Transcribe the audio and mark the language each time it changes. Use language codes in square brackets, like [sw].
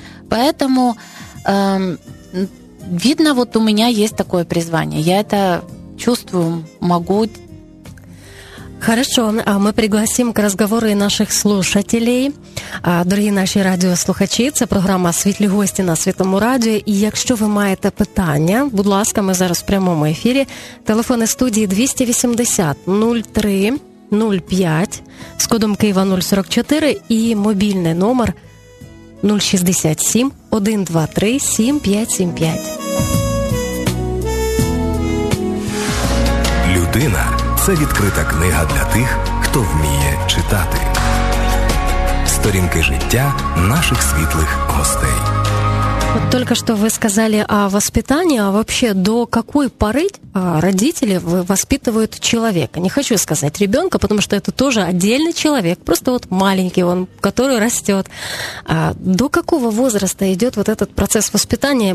[ru] Поэтому видно, вот у меня есть такое призвание. Я это чувствую, могу. Хорошо, мы пригласим к разговору и наших слушателей. [uk] Дорогі наші радіослухачі, це програма «Світлі гості» на Світлому радіо. І якщо ви маєте питання, будь ласка, ми зараз в прямому ефірі. Телефони студії 280-03-05 з кодом Києва 044 і мобільний номер 067-123-7575. Людина – це відкрита книга для тих, хто вміє читати. Сторінки життя наших світлих гостей. [ru] Вот только что вы сказали о воспитании, а вообще до какой поры родители воспитывают человека? Не хочу сказать ребенка, потому что это тоже отдельный человек, просто вот маленький он, который растет. А до какого возраста идет вот этот процесс воспитания?